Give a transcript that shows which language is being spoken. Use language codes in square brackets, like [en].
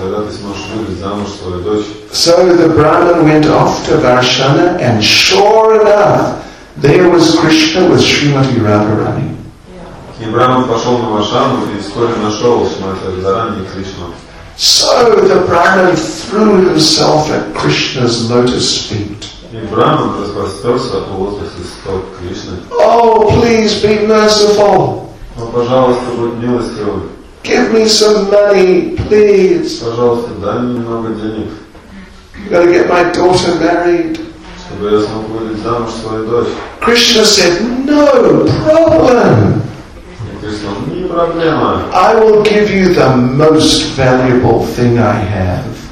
[en] So the Brahmin went off to Varshana, and sure enough, there was Krishna with Srimati Radharani. [ru] И Брахман пошел на Варшану и вскоре нашел Шримати Радхарани и Кришну. [en] So the Brahman threw himself at Krishna's lotus feet. [ru] И Брахман распростерся у лотоса стоп Кришны. [en] Oh, please be merciful. [ru] Но, пожалуйста, будь милостивым. [en] Give me some money, please. [ru] Пожалуйста, дай мне немного денег. [en] You gotta get my daughter married. [ru] Чтобы я смог выйти замуж свою дочь. [en] Krishna said, no problem. I will give you the most valuable thing I have.